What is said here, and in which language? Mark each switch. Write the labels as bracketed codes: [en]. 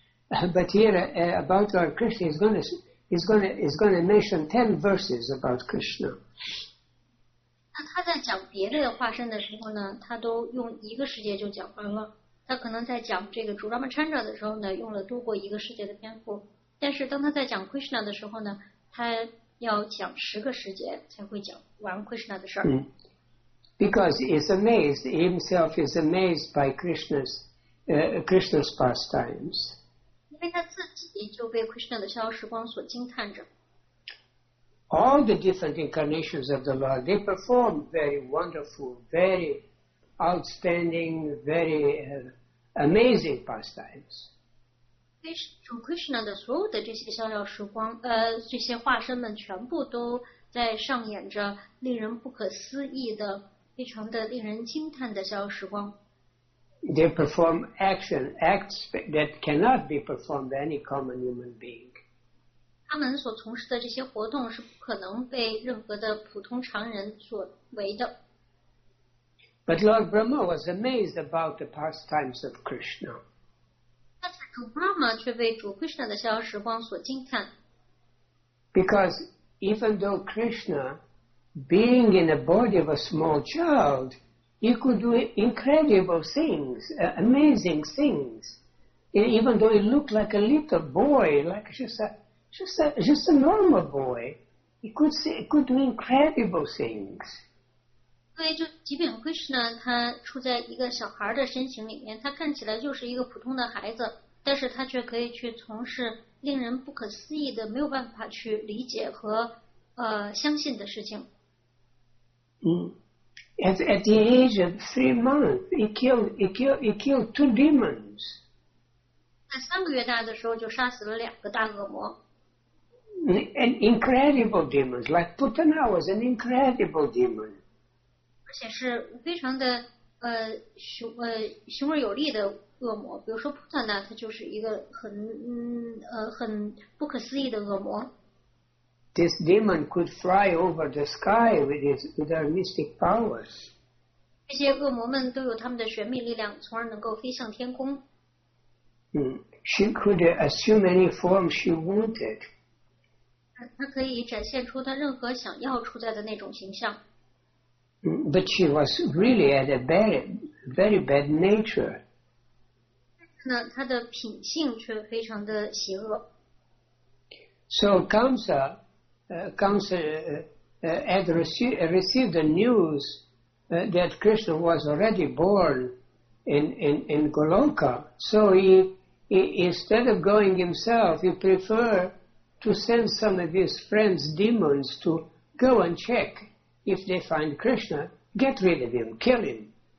[en] But here, about Lord Krishna, he's going to mention 10 verses about Krishna. [zh] 那他在讲别的化身的时候呢，他都用一个世界就讲完了。他可能在讲这个主 Ramachandra 的时候呢，用了多过一个世界的篇幅。但是当他在讲 Krishna 的时候呢，他要讲十个世界才会讲完 Krishna 的事儿。 [en] Because he's amazed, he himself is amazed by Krishna's pastimes. [zh] 因为他自己就被 Krishna 的逍遥时光所惊叹着。 [en] All the different incarnations of the Lord, they perform very wonderful, very outstanding, very amazing pastimes. [zh] Krishna 的所有的这些逍遥时光，这些化身们全部都在上演着令人不可思议的、非常的令人惊叹的逍遥时光。 [en] They perform acts that cannot be performed by any common human being. [zh] 他们所从事的这些活动是不可能被任何的普通常人所为的。 [en] But Lord Brahma was amazed about the pastimes of Krishna. [zh] 但是主 Brahma 却被主 Krishna 的逍遥时光所惊叹。 [en] Because even though Krishna, being in the body of a small child, he could do incredible things, amazing things. Even though he looked like a little boy, like just a normal boy, he could do incredible things. [zh] 因为就即便 Krishna 他处在一个小孩的身形里面，他看起来就是一个普通的孩子，但是他却可以去从事令人不可思议的、没有办法去理解和相信的事情。 [en] At the age of 3 months, he killed two demons. [zh] 在三个月大的时候就杀死了两个大恶魔。 [en] An incredible demons, like Putana was an incredible demon. [zh] 而且是非常的雄而有力的恶魔，比如说 Putana 他就是一个很不可思议的恶魔。 [en] This demon could fly over the sky with their mystic powers. [zh] 这些恶魔们都有他们的玄秘力量，从而能够飞向天空。 [en] She could assume any form she wanted. [zh] 他可以展现出他任何想要出在的那种形象。 [en] But she was really at a bad, very bad nature. [zh] 但是呢，他的品性却非常的邪恶。 [en] So Kamsa had received the news that Krishna was already born in Goloka. So he, instead of going himself, he preferredto send some of his friends, demons, to go and check if they find Krishna, get rid of him, kill him.